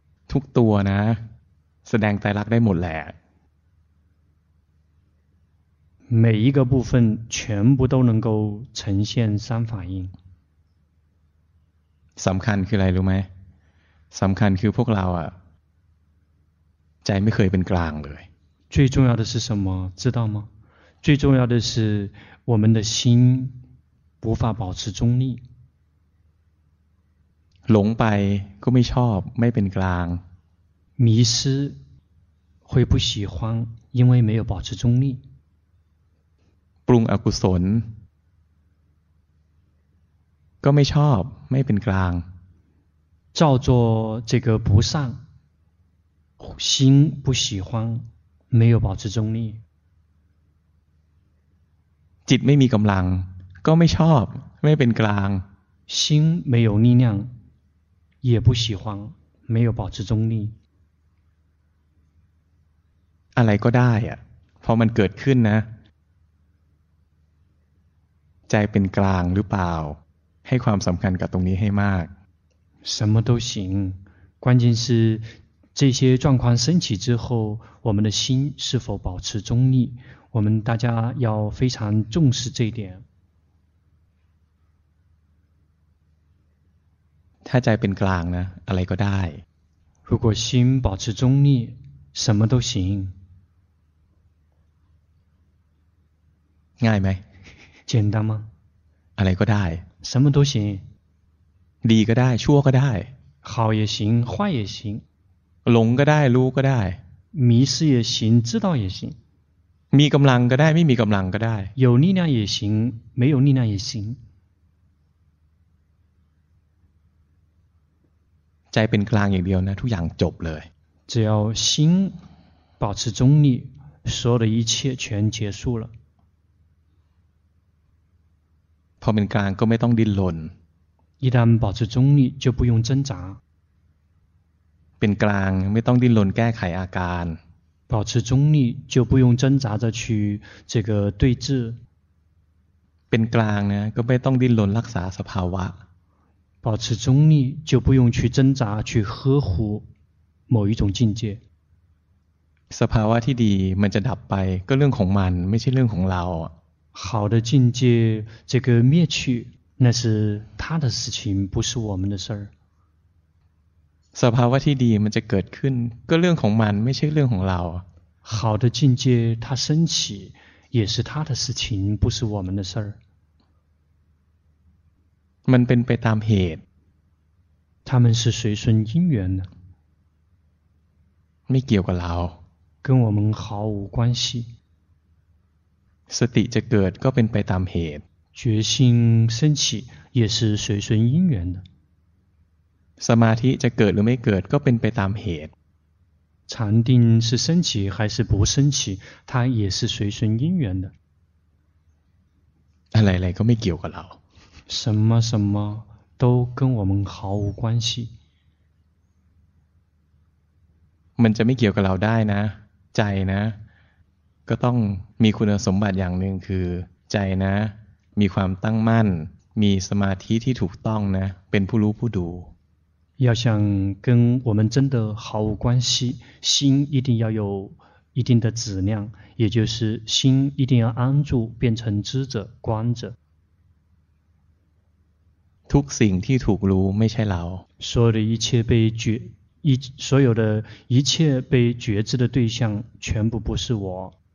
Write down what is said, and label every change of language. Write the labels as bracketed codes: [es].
[th] ทุกตัวนะแสดงไตรลักษณ์ได้หมดแหละ [zh] 每一个部分全部都能够呈现三法印 [th] สำคัญคืออะไรรู้ไหมสำคัญคือพวกเราอ่ะใจไม่เคยเป็นกลางเลย [zh] 最重要的是什么知道吗最重要的是我们的心无法保持中立 [th] หลงไปก็ไม่ชอบไม่เป็นกลาง [zh] 迷失会不喜欢因为没有保持中立 [th] ปรุงอกุศลก็ไม่ชอบไม่เป็นกลาง [zh] 照做这个不善心不喜欢没有保持中立 [th] จิตไม่มีกำลังก็ไม่ชอบไม่เป็นกลาง [zh] 心没有力量，也不喜欢，没有保持中立。 [th] อะไรก็ได้อ่ะพอมันเกิดขึ้นนะใจเป็นกลางหรือเปล่าให้ความสำคัญกับตรงนี้ให้มาก [zh] 什么都行，关键是这些状况升起之后，我们的心是否保持中立，我们大家要非常重视这一点。 [th] ถ้าใจเป็นกลางนะอะไรก็ได้ [zh] 如果心保持中立什么都行 [th] ง่ายไหม [zh] 简单吗 [th] อะไรก็ได้ [zh] 什么都行 [th] ดีก็ได้ชั่วก็ได้ [zh] 好也行坏也行 [th] หลงก็ได้รู้ก็ได้ [zh] 迷失也行知道也行 [th] มีกำลังก็ได้ไม่มีกำลังก็ได้ [zh] 有力量也行没有力量也行 [th] ใจเป็นกลางอย่างเดียวนะทุกอย่างจบเลย [zh] 只要心保持中立所有的一切全结束了 [th] พอเป็นกลางก็ไม่ต้องดิ้นรน [zh] 一旦保持中立就不用挣扎 [th] เป็นกลางไม่ต้องดิ้นรนแก้ไขอาการ [zh] 保持中立就不用挣扎着去这个对治 [th] เป็นกลางนะก็ไม่ต้องดิ้นรนรักษาสภาวะ [zh] 保持中立就不用去挣扎去呵护某一种境界 [th] สภาวะที่ดีมันจะดับไปก็เรื่องของมันไม่ใช่เรื่องของเรา [zh] 好的境界这个灭去那是他的事情不是我们的事 [th] สภาวะที่ดีมันจะเกิดขึ้นก็เรื่องของมันไม่ใช่เรื่องของเรา [zh] 好的境界它升起也是他的事情不是我们的事 [th] มันเป็นไปตามเหตุ [zh] 他们是随顺因缘的 [th] ไม่เกี่ยวกับเรา [zh] 跟我们毫无关系 [th] สติจะเกิดก็เป็นไปตามเหตุ [zh] 决心升起也是随顺因缘的 [th] สมาธิจะเกิดหรือไม่เกิดก็เป็นไปตามเหตุ [zh] 禅定是升起还是不升起它也是随顺因缘的 [th] อะไรๆก็ไม่เกี่ยวกับเรา [zh] 什么什么都跟我们毫无关系 [th] มันจะไม่เกี่ยวกับเราได้นะใจนะก็ต้องมีคุณสมบัติอย่างหนึ่งคือใจนะมีความตั้งมั่นมีสมาธิที่ถูกต้องนะเป็นผู้รู้ผู้ดู [zh] 要想跟我们真的毫无关系心一定要有一定的质量也就是心一定要安住变成知者观者 [th] ทุกสิ่งที่ถูกรู้ไม่ใช่เรา [zh] 所有的一切被觉一所有的一切被觉知的对象全部不是我